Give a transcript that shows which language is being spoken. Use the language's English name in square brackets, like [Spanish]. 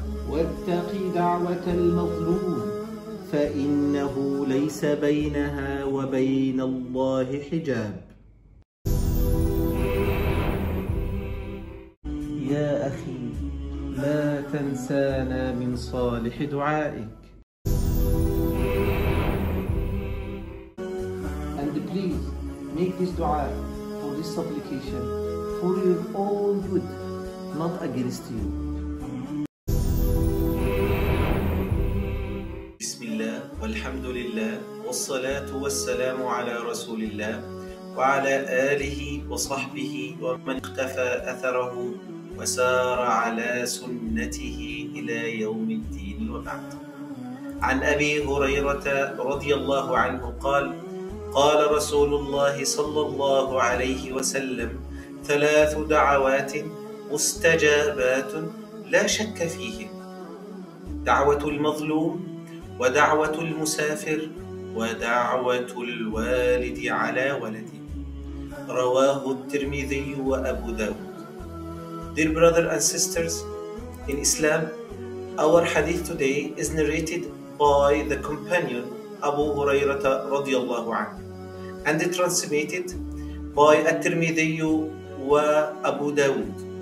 [Arabic] واتق دعوة المظلوم، فإنه ليس بينها وبين الله حجاب. يا أخي لا تنسانا من صالح دعائك. [English] And please make this dua for this supplication for your own good, not against you. [Arabic] بسم الله والحمد لله والصلاة والسلام على رسول الله وعلى آله وصحبه ومن اقتفى أثره وسار على سنته إلى يوم الدين وبعد. عن أبي هريرة رضي الله عنه قال: قال رسول الله صلى الله عليه وسلم: ثلاث دعوات مستجابات لا شك فيهم: دعوة المظلوم، ودعوة المسافر، ودعوة الوالد على ولده. رواه الترمذي وأبو داود. [English] Dear brothers and sisters in Islam, our hadith today is narrated by the companion Abu Hurairah radiallahu anhu and transmitted by At-Tirmidhi wa Abu Dawud.